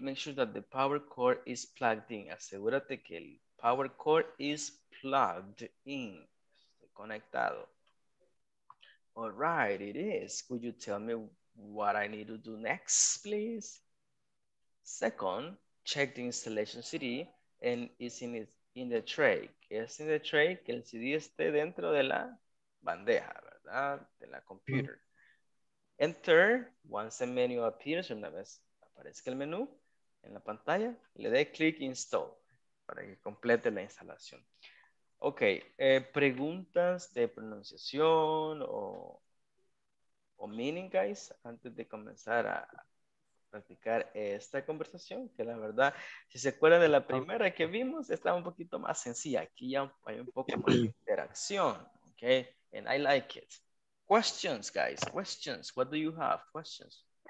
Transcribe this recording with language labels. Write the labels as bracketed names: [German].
[English] Make sure that the power cord is plugged in. [Spanish] Asegúrate que el [English] power cord is plugged in, [Spanish] conectado. [English] All right, it is. Could you tell me what I need to do next, please? Second, check the installation CD and is in it in the tray. [Spanish] Es [English] in the tray [Spanish] que el CD esté dentro de la bandeja, ¿verdad? De la computer. [English] And third, once the menu appears, [Spanish] una vez aparezca el menú en la pantalla, le dé click install para que complete la instalación. Ok, preguntas de pronunciación o meaning, guys, antes de comenzar a practicar esta conversación, que la verdad, si se acuerdan de la primera que vimos, está un poquito más sencilla. Aquí ya hay un poco más de interacción, ok, [English] and I like it. Questions, guys, questions, what do you have, questions?